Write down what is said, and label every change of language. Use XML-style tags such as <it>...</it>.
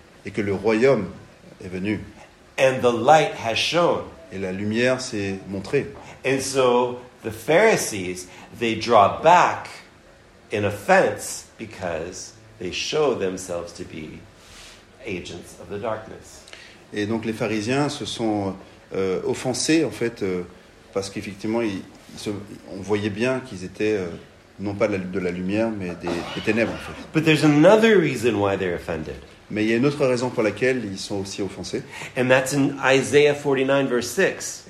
<fr>Et que le royaume est venu.</fr> <en>And the light has shone.</en> <fr>Et la lumière s'est montrée.</fr> <en>And so the Pharisees, they draw back in offense because they show themselves to be agents of the darkness.</en> <fr>Et donc les pharisiens se sont offensés en fait parce qu'effectivement on voyait bien qu'ils étaient non pas de la lumière, mais des ténèbres, en fait.</fr> <en>But there's another reason why they're offended.</en> <fr>Mais il y a une autre raison pour laquelle ils sont aussi offensés.</fr> <en>And that's in Isaiah 49, verse 6.</en>